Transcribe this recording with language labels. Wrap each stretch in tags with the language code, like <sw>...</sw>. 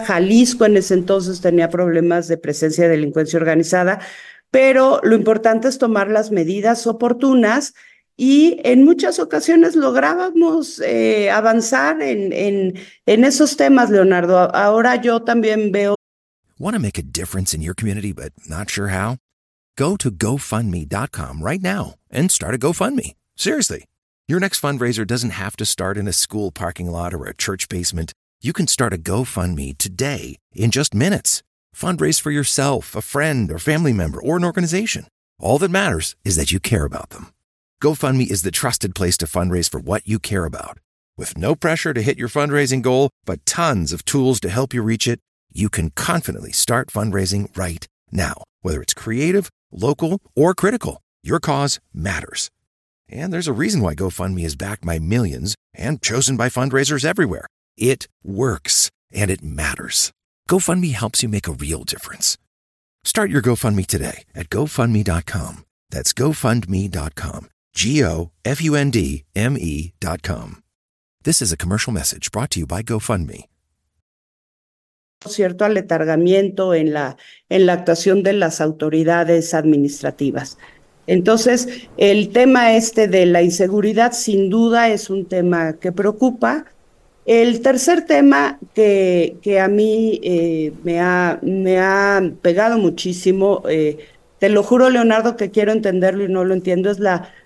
<es>Jalisco en ese entonces tenía problemas de presencia de delincuencia organizada, pero lo importante es tomar las medidas oportunas y en muchas ocasiones lográbamos avanzar en esos temas, Leonardo. Ahora yo también veo.</es> <en>Want to make a difference in your community, but not sure how? Go to GoFundMe.com right now and start a GoFundMe. Seriously, your next fundraiser doesn't have to start in a school parking lot or a church basement. You can start a GoFundMe today in just minutes. Fundraise for yourself, a friend, or family member, or an organization. All that matters is that you care about them. GoFundMe is the trusted place to fundraise for what you care about. With no pressure to hit your fundraising goal, but tons of tools to help you reach it, you can confidently start fundraising right now. Whether it's creative, local, or critical, your cause matters. And there's a reason why GoFundMe is backed by millions and chosen by fundraisers everywhere. It works, and it matters. GoFundMe helps you make a real difference. Start your GoFundMe today at GoFundMe.com. That's GoFundMe.com. GoFundMe.com. This is a commercial message brought to you by GoFundMe.</en> <es>Cierto aletargamiento en la actuación de las autoridades administrativas. Entonces, el tema este de la inseguridad, sin duda, es un tema que preocupa. El tercer tema que a mí me ha pegado muchísimo, te lo juro, Leonardo, que quiero entenderlo y no lo entiendo, es la</es>